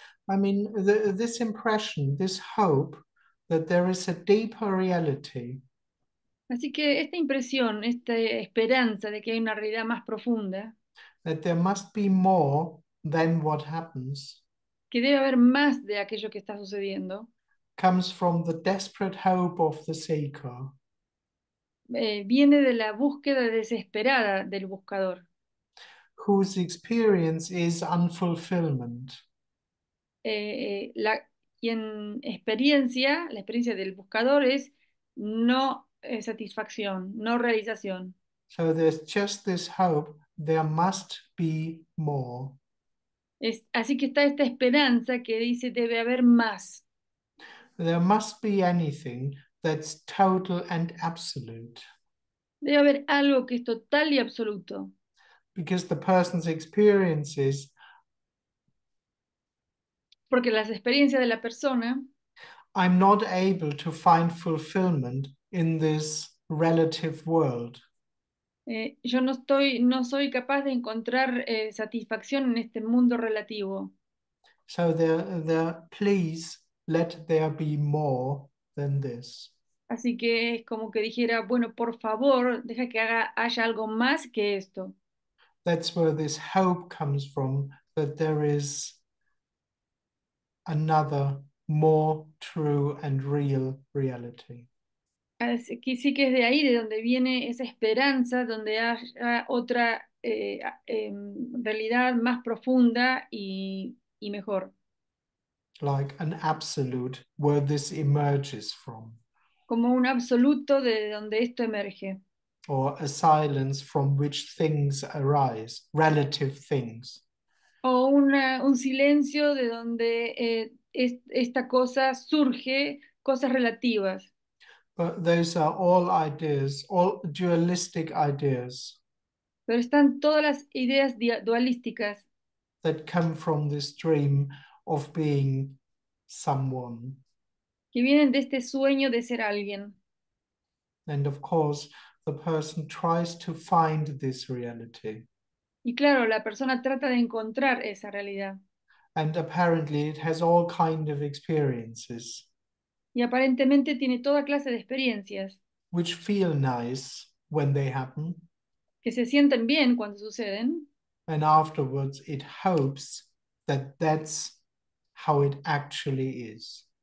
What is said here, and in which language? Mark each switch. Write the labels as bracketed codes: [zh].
[en] I mean, this impression, this hope, that there is a deeper reality. [es] Así que esta impresión, esta esperanza de que hay una realidad más profunda, [en] that there must be more than what happens, [es] que debe haber más de aquello que está sucediendo, [en] comes from the desperate hope of the seeker. [es] Viene de la búsqueda desesperada del buscador, [en] whose experience is unfulfillment. [es] La experiencia del buscador es no satisfacción, no realización. [en] So there's just this hope, there must be more. [es] Así que está esta esperanza que dice debe haber más. [en] There must be anything that's total and absolute. [es] Debe haber algo que es total y absoluto. [en] Because the person's experiences [es] porque las experiencias de la persona, [en] I'm not able to find fulfillment in this relative world. [es] Yo no soy capaz de encontrar satisfacción en este mundo relativo. [en] So there, please let there be more than this. [es] Así que es como que dijera, bueno, por favor, deja que haya algo más que esto. [en] That's where this hope comes from, that there is another more true and real reality. [es] Así que sí que es de ahí de donde viene esa esperanza, donde haya otra realidad más profunda y mejor. [en] Like an absolute where this emerges from. [es] Como un absoluto de donde esto emerge. [en] Or a silence from which things arise, relative things. [es] O un silencio de donde esta cosa surge, cosas relativas. [en] But those are all ideas, all dualistic ideas. [es] Pero están todas las ideas dualísticas [en] that come from this dream of being someone. [es] Que vienen de este sueño de ser alguien. [en] And of course, the person tries to find this reality. [es] Y claro, la persona trata de encontrar esa realidad. [en] And apparently it has all kind of experiences. [es] Y aparentemente tiene toda clase de experiencias. [en] Which feel nice when they happen. [es] Que se sienten bien cuando suceden. [en] And afterwards it hopes that that's how it actually is.